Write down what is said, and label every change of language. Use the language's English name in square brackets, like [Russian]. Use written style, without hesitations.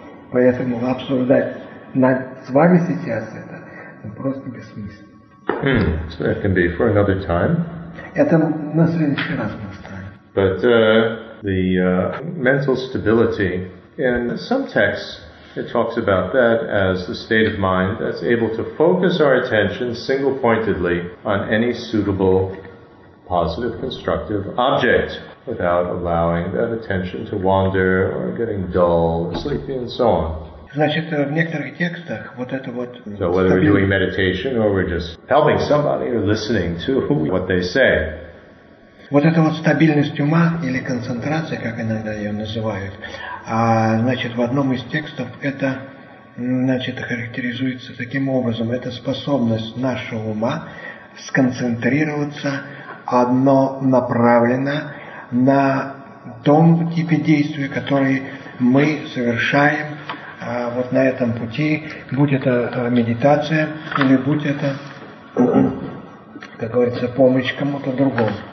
[Russian] Поэтому обсуждать над с вами сейчас это просто бессмысленно. Это на следующий раз мы оставим. [English] The mental stability, in some texts, it talks about that as the state of mind that's able to focus our attention single-pointedly on any suitable positive constructive object without allowing that attention to wander or getting dull, sleepy, and so on. [Russian] Значит, в некоторых текстах вот это вот... [English] So whether we're doing meditation or we're just helping somebody or listening to what they say. [Russian] Вот эта вот стабильность ума или концентрация, как иногда ее называют, значит, в одном из текстов это, значит, характеризуется таким образом. Это способность нашего ума сконцентрироваться однонаправленно на том типе действия, который мы совершаем вот на этом пути, будь это медитация или будь это, как говорится, помощь кому-то другому.